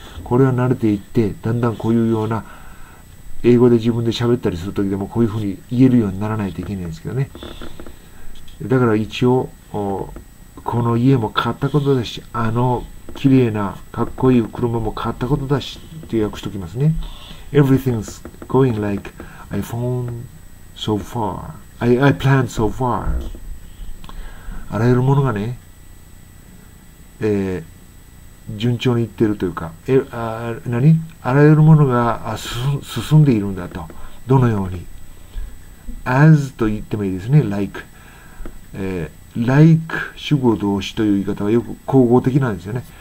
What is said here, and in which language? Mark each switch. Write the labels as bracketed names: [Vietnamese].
[Japanese] これは慣れていって、だんだんこういうような英語で自分で喋ったりする時でもこういう風に言えるようにならないといけないんですけどね。だから一応この家も買ったことだし、あの綺麗なかっこいい車も買ったことだしって訳しておきますね。 [English] Everything's going like I found so far. I planned so far. [Japanese] あらゆるものがね、順調にいってるというか、あらゆるものが進んでいるんだと。どのように ?as と言ってもいいですね。 like、like 主語動詞という言い方はよく口語的なんですよね。